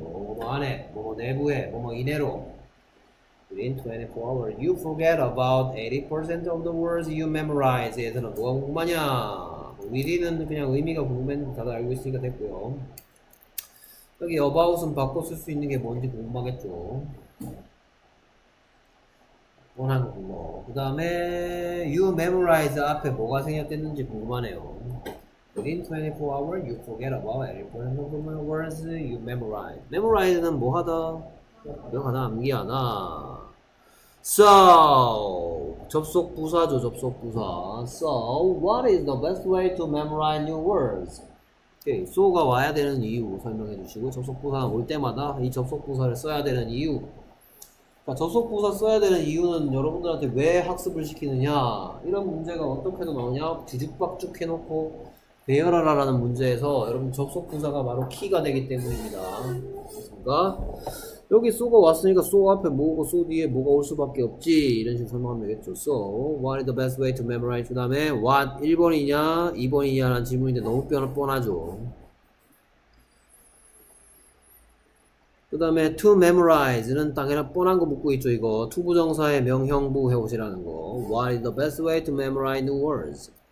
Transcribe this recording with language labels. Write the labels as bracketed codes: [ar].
[ko] 뭐뭐 안에, 뭐뭐 내부에, 뭐뭐 이내로. [en] within 24 hours. you forget about 80% of the words you memorize. [ko] 얘들아, 뭐가 궁금하냐? within은 그냥 의미가 궁금했는데 다들 알고 있으니까 됐고요. 여기 about은 바꿔 쓸 수 있는 게 뭔지 궁금하겠죠. 원한 거. 그 다음에 you memorize 앞에 뭐가 생략됐는지 궁금하네요. [en] within 24 hours you forget about every person of the words you memorize. [ko] memorize는 뭐 하다? 기억하다, 암기하다. So, 접속 부사죠, 접속 부사. [en] So, what is the best way to memorize new words? Okay. [ko] So가 와야 되는 이유 설명해 주시고, 접속부사가 올 때마다 이 접속부사를 써야 되는 이유. 자, 접속부사 써야 되는 이유는 여러분들한테 왜 학습을 시키느냐, 이런 문제가 어떻게도 나오냐, 뒤죽박죽 해놓고 배열하라라는 문제에서 여러분 접속부사가 바로 키가 되기 때문입니다. 그러니까 여기 so가 왔으니까 so 앞에 뭐고 so 뒤에 뭐가 올 수밖에 없지, 이런 식으로 설명하면 되겠죠. [en] So, what is the best way to memorize? [ko] 그 다음에 what 1번이냐 2번이냐 라는 질문인데 너무 뻔하죠. 그 다음에 to memorize는 당연히 뻔한 거 묻고 있죠. 이거 to 부정사의 명형부 해오시라는 거. [en] what is the best way to memorize new words?